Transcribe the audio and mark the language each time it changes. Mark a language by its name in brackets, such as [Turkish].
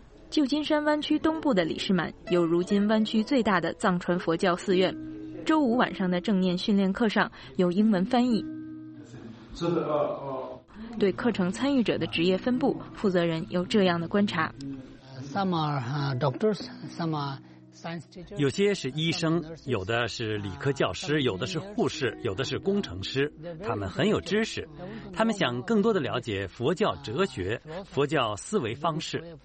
[Chinese] 旧金山湾区东部的李士满有如今湾区最大的藏传佛教寺院，周五晚上的正念训练课上有英文翻译。对课程参与者的职业分布，负责人有这样的观察。 [English] Some are doctors, some are science teachers. [Chinese] 有些是医生，有的是理科教师，有的是护士，有的是工程师，他们很有知识，他们想更多的了解佛教哲学，佛教思维方式。